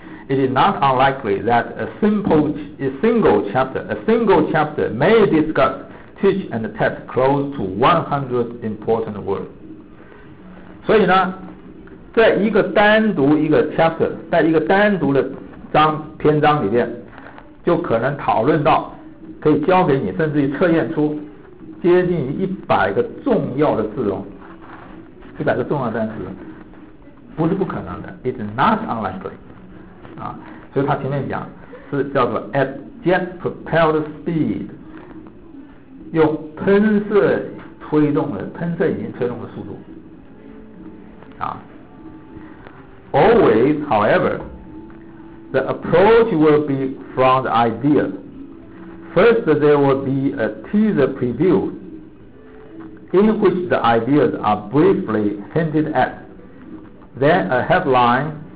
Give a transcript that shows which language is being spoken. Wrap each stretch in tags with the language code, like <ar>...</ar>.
<en>It is not unlikely that a single chapter may discuss, teach, and test close to 100 important words.</en> <zh>所以呢，在一个单独一个 chapter， 在一个单独的章篇章里面，就可能讨论到可以教给你，甚至于测验出接近于100个重要的字哦，100个重要单词，不是不可能的。</zh> <en>It is not unlikely。</en> <zh>啊，所以他前面讲是叫做</zh> <en>at jet propelled speed，</en> <zh>用喷射引擎推动的速度，啊，</zh> <en>always however the approach will be from the idea， first there will be a teaser preview in which the ideas are briefly hinted at， then a headline</en>